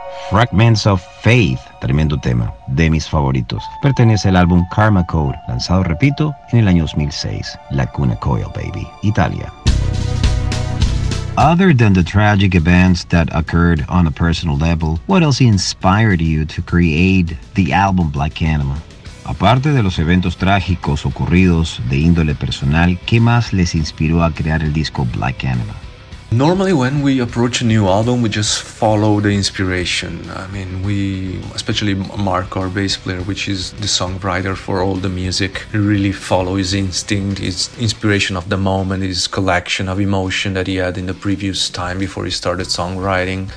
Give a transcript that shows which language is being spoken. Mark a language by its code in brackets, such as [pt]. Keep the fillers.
[es] Fragments of Faith, tremendo tema, de mis favoritos. Pertenece al álbum Karma Code, lanzado, repito, en el año 2006. La Cuna Coil Baby, Italia. [en] Other than the tragic events that occurred on a personal level, what else inspired you to create the album Black Anima? [es] Aparte de los eventos trágicos ocurridos de índole personal, ¿qué más les inspiró a crear el disco Black Anima? [en] Normally, when we approach a new album, we just follow the inspiration. I mean, we, especially Mark, our bass player, which is the songwriter for all the music, he really follow his instinct, his inspiration of the moment, his collection of emotion that he had in the previous time before he started songwriting.